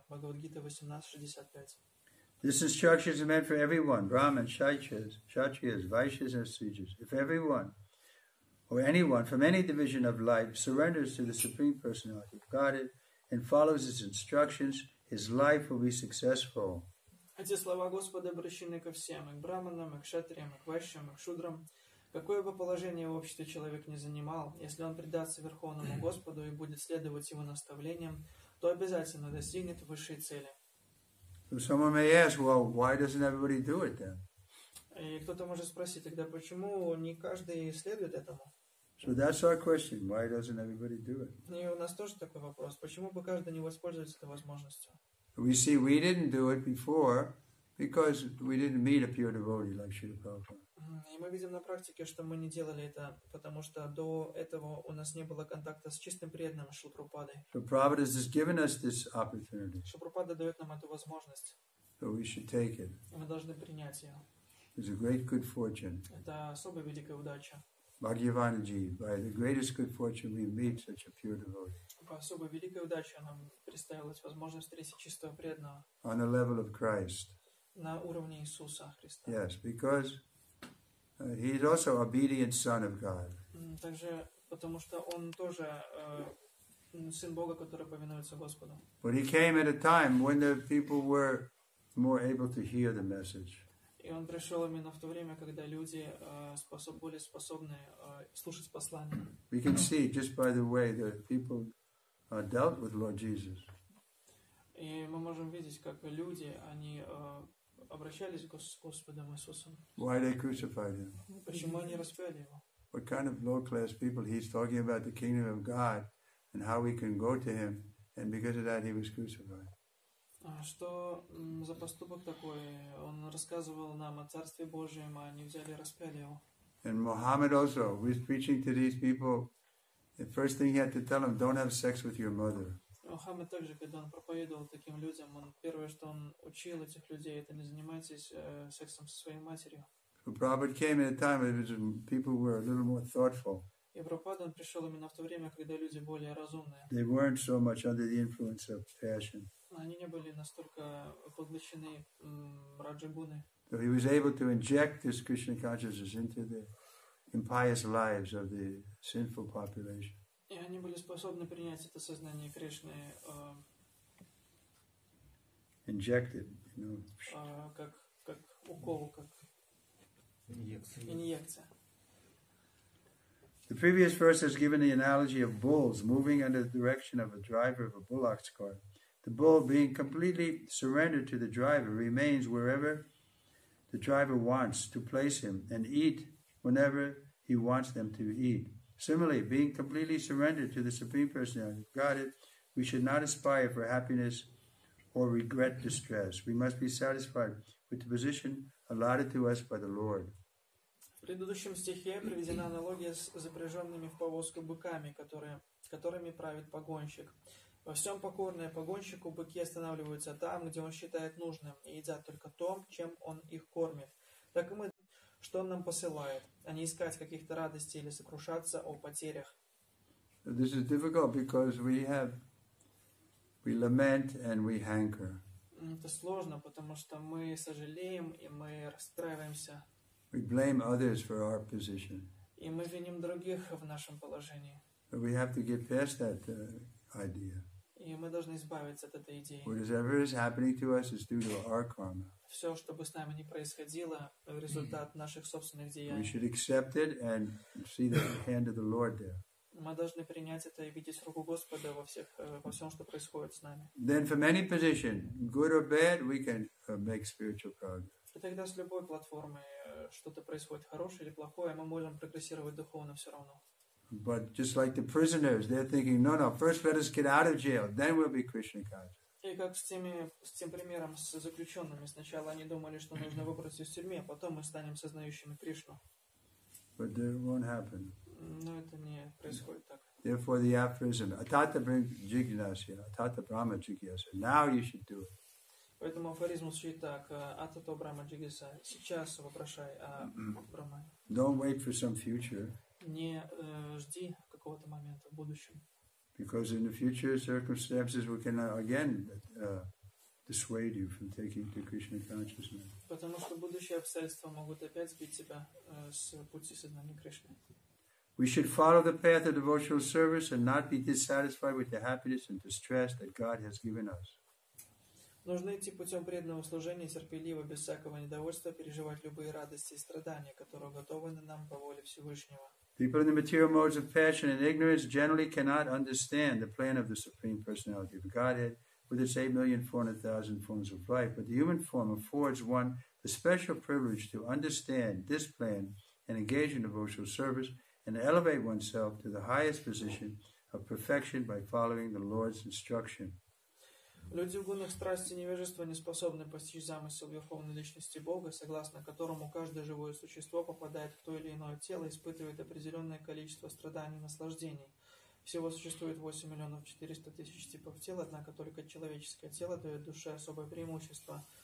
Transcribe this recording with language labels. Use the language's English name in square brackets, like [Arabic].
[Russian] Бхагавад-гита 18.65. [English] This instruction is meant for everyone, Brahman, Kshatriyas, Vaishyas and Sudras. If everyone or anyone from any division of life surrenders to the Supreme Personality of Godhead and follows His instructions, his life will be successful. [Russian] Эти слова Господа обращены ко всем, и к браманам, и к кшатриям, и к вайшьям, и к шудрам. Какое бы положение в обществе человек ни занимал, если он предастся Верховному Господу и будет следовать Его наставлениям, то обязательно достигнет высшей цели. [English] Someone may ask, well, why doesn't everybody do it then? [Russian] И кто-то может спросить, тогда почему не каждый следует этому? [English] So that's our question, why doesn't everybody do it? [Russian] И у нас тоже такой вопрос, почему бы каждый не воспользовался этой возможностью? [English] We see we didn't do it before because we didn't meet a pure devotee like Srila Prabhupada. [Russian] И мы видим на практике, что мы не делали это, потому что до этого у нас не было контакта с чистым преданным Шрила Прабхупадой. [English] So Prabhupada has given us this opportunity. [Russian] Шрила Прабхупада дает нам эту возможность. [English] So we should take it. [Russian] И мы должны принять ее. [English] It's a great good fortune. [Russian] Это особая великая удача. [English] Bhagyavanaji, by the greatest good fortune we meet such a pure devotee. [Russian] По особой великой удаче нам представилась возможность встретить чистого преданного. [English] On the level of Christ. [Russian] На уровне Иисуса Христа. [English] Yes, because he is also obedient son of God. [Russian] Также потому что он тоже сын Бога, который повинуется Господу. [English] But he came at a time when the people were more able to hear the message. [Russian] И он пришел именно в то время, когда люди более способны слушать послание. [English] We can see just by the way that people dealt with Lord Jesus. [Russian] И мы можем видеть, как люди, они обращались к Господом Иисусом. [English] Why they crucified him? [Russian] Почему они распяли его? [English] What kind of low class people? He's talking about the kingdom of God and how we can go to him, and because of that he was crucified. [Russian] Что за поступок такой? Он рассказывал нам о Царстве Божьем, а они взяли и распяли его. [English] And Muhammad also was preaching to these people. The first thing he had to tell them, don't have sex with your mother. [Russian] Мухаммед также, когда он проповедовал таким людям, он первое, что он учил этих людей, это не занимайтесь сексом со своей матерью. [English] So Prabhupada came at a time when people were a little more thoughtful. [Russian] И Прабхупада пришел именно в то время, когда люди более разумные. [English] They weren't so much under the influence of passion. [Russian] Они не были настолько поглощены раджа-гуны. [English] So he was able to inject this Krishna consciousness into the impious lives of the sinful population. [Russian] И они были способны принять это сознание Кришны [English] injected, you know, [Russian] как укол, как инъекция. [English] The previous verse has given the analogy of bulls moving under the direction of a driver of a bullock cart. The bull, being completely surrendered to the driver, remains wherever the driver wants to place him and eat whenever he wants them to eat. Similarly, being completely surrendered to the Supreme Personality of Godhead, we should not aspire for happiness or regret distress. We must be satisfied with the position allotted to us by the Lord. [Russian] В предыдущем стихе приведена аналогия с запряженными в повозку быками, которыми правит погонщик. Во всем покорные погонщику быки останавливаются там, где он считает нужным, и едят только то, чем он их кормит. Так и мы, что он нам посылает, а не искать каких-то радостей или сокрушаться о потерях. [English] This is difficult because we lament and we hanker. [Russian] Это сложно, потому что мы сожалеем и мы расстраиваемся. [English] We blame others for our position. [Russian] И мы виним других в нашем положении. [English] But we have to get past that idea. [Russian] И мы должны избавиться от этой идеи. [English] Whatever is happening to us is due to our karma. [Russian] Все, что бы с нами ни происходило, результат наших собственных деяний. [English] We should accept it and see the hand of the Lord there. [Russian] Мы должны принять это и видеть руку Господа во всем, что происходит с нами. [English] Then from any position, good or bad, we can make spiritual progress. [Russian] И тогда с любой платформы что-то происходит, хорошее или плохое, мы можем прогрессировать духовно все равно. [English] But just like the prisoners, they're thinking, no, no, first let us get out of jail, then we'll be Krishna conscious. [Russian] И как с тем примером с заключенными, сначала они думали, что нужно выбраться из тюрьмы, а потом мы станем сознающими Кришну. [English] But that won't happen. [Russian] Но это не происходит так. [English] Therefore the aphorism, [Sanskrit] atata jignasya, atata brahma jignasya, [English] now you should do it. [Russian] Поэтому афоризм звучит так, [Sanskrit] атата брахма джигьяса, [Russian] сейчас вопрошай о брахмане. [English] Don't wait for some future. [Russian] Не жди какого-то момента в будущем. [English] Because in the future circumstances we cannot again dissuade you from taking to Krishna consciousness. [Russian] Потому что будущие обстоятельства могут опять сбить тебя с пути сознания Кришны. [English] We should follow the path of devotional service and not be dissatisfied with the happiness and distress that God has given us. [Russian] Нужно идти путем преданного служения, терпеливо, без всякого недовольства, переживать любые радости и страдания, которые уготованы нам по воле Всевышнего. [English] People in the material modes of passion and ignorance generally cannot understand the plan of the Supreme Personality of Godhead with its 8,400,000 forms of life. But the human form affords one the special privilege to understand this plan and engage in devotional service and elevate oneself to the highest position of perfection by following the Lord's instruction. [Russian] Люди в гунах страсти и невежества не способны постичь замысел Верховной Личности Бога, согласно которому каждое живое существо попадает в то или иное тело и испытывает определенное количество страданий и наслаждений. Всего существует 8,400,000 типов тел, однако только человеческое тело дает душе особое преимущество.